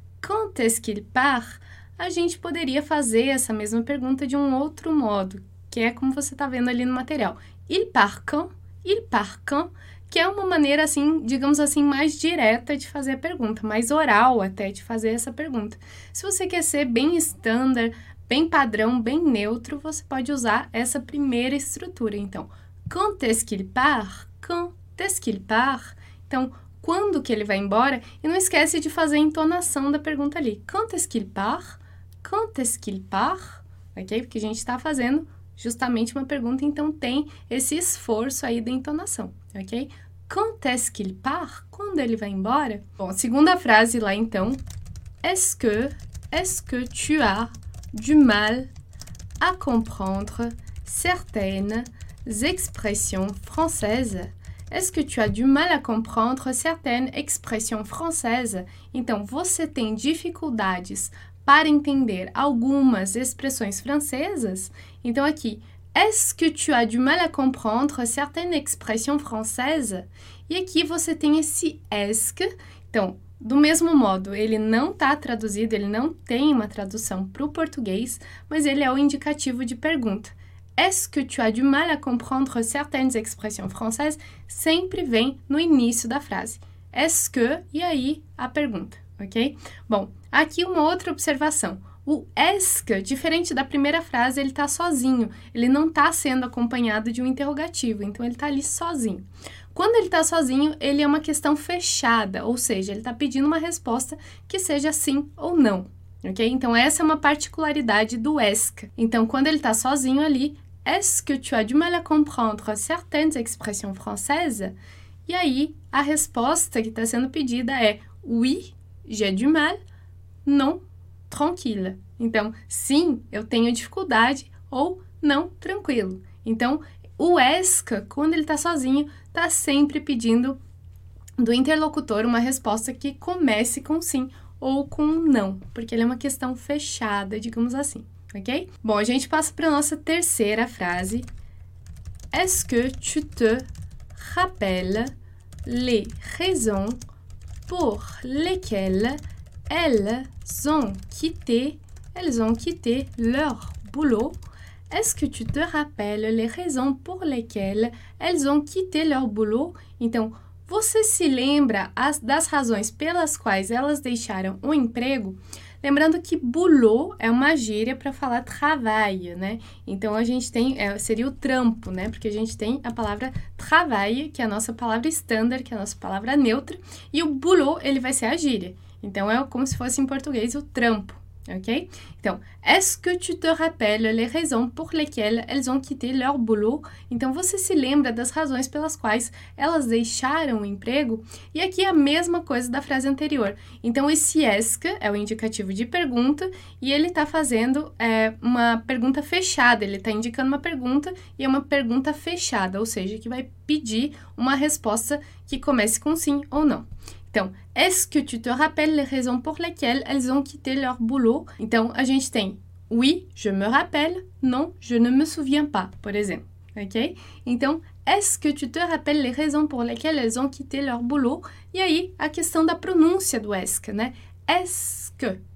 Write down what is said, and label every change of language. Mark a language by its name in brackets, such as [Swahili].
[French] Quand est-ce qu'il part? [Portuguese] A gente poderia fazer essa mesma pergunta de um outro modo, que é como você está vendo ali no material. [French] Il part quand? Il part quand? [Portuguese] Que é uma maneira assim, digamos assim, mais direta de fazer a pergunta, mais oral até de fazer essa pergunta. Se você quer ser bem standard, bem padrão, bem neutro, você pode usar essa primeira estrutura. Então, [French] quand est-ce qu'il part? Quand est-ce qu'il part? [Portuguese] Então, quando que ele vai embora? E não esquece de fazer a entonação da pergunta ali. [French] Quand est-ce qu'il part? Quand est-ce qu'il part? Ok? [Portuguese] Porque a gente está fazendo justamente uma pergunta, então tem esse esforço aí da entonação, ok? [French] Quand est-ce qu'il part? [Portuguese] Quando ele vai embora? Bom, segunda frase lá então. [French] Est-ce que tu as du mal à comprendre certaines expressions françaises? Est-ce que tu as du mal à comprendre certaines expressions françaises? [Portuguese] Então, você tem dificuldades para entender algumas expressões francesas? Então, aqui, [French] est-ce que tu as du mal à comprendre certaines expressions françaises? [Portuguese] E aqui você tem esse est-ce que, então, do mesmo modo, ele não está traduzido, ele não tem uma tradução para o português, mas ele é o indicativo de pergunta. [French] Est-ce que tu as du mal à comprendre certaines expressions françaises? [Portuguese] Sempre vem no início da frase. Est-ce que, e aí a pergunta, ok? Bom, aqui uma outra observação. O est-ce que, diferente da primeira frase, ele está sozinho. Ele não está sendo acompanhado de um interrogativo. Então, ele está ali sozinho. Quando ele está sozinho, ele é uma questão fechada. Ou seja, ele está pedindo uma resposta que seja sim ou não. Ok? Então, essa é uma particularidade do est-ce que. Então, quando ele está sozinho ali, [French] est-ce que tu as du mal à comprendre certaines expressions françaises? [Portuguese] E aí, a resposta que está sendo pedida é [French] oui, j'ai du mal, non, tranquille. [Portuguese] Então, sim, eu tenho dificuldade, ou não, tranquilo. Então, o est-ce que, quando ele está sozinho, está sempre pedindo do interlocutor uma resposta que comece com sim ou com não, porque ele é uma questão fechada, digamos assim, ok? Bom, a gente passa para a nossa terceira frase. [French] Est-ce que tu te rappelles les raisons pour lesquelles elles ont quitté leur boulot? Est-ce que tu te rappelles les raisons pour lesquelles elles ont quitté leur boulot? [Portuguese] Então, você se lembra das razões pelas quais elas deixaram o emprego? Lembrando que boulot é uma gíria para falar travail, né? Então, a gente tem, seria o trampo, né? Porque a gente tem a palavra travail, que é a nossa palavra standard, que é a nossa palavra neutra, e o boulot, ele vai ser a gíria. Então, é como se fosse em português o trampo, ok? Então, [French] est-ce que tu te rappelles les raisons pour lesquelles elles ont quitté leur boulot? [Portuguese] Então, você se lembra das razões pelas quais elas deixaram o emprego? E aqui é a mesma coisa da frase anterior. Então, esse est-ce que é o indicativo de pergunta e ele está fazendo uma pergunta fechada. Ele está indicando uma pergunta e é uma pergunta fechada, ou seja, que vai pedir uma resposta que comece com sim ou não. Então, [French] est-ce que tu te rappelles les raisons pour lesquelles elles ont quitté leur boulot? [Portuguese] Então, a gente tem [French] oui, je me rappelle, non, je ne me souviens pas, [Portuguese] por exemplo. Ok? Então, [French] est-ce que tu te rappelles les raisons pour lesquelles elles ont quitté leur boulot? [Portuguese] E aí, a questão da pronúncia do est-ce, né? Est-ce que?